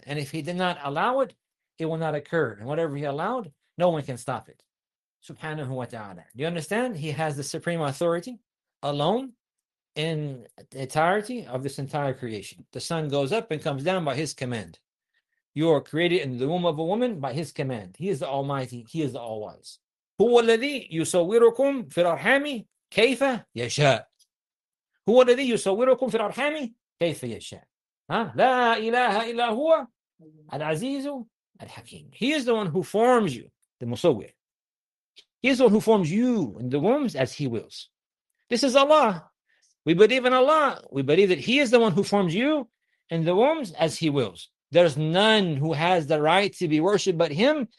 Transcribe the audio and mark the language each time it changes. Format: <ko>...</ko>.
<en>And if he did not allow it, it will not occur. And whatever he allowed, no one can stop it, subhanahu wa ta'ala. Do you understand? He has the supreme authority alone in the entirety of this entire creation. The sun goes up and comes down by his command. You are created in the womb of a woman by his command. He is the Almighty. He is the All-Wise.</en> <ar>هو الذي يصوركم في الأرحام كيف يشاء. هو الذي يصوركم في الأرحام كيف يشاء. لا إله إلا هو العزيز الحكيم.</ar> <en>He is the one who forms you, the مصور. He is the one who forms you in the wombs as he wills. This is Allah. We believe in Allah. We believe that he is the one who forms you in the wombs as he wills. There's none who has the right to be worshipped but him.</en>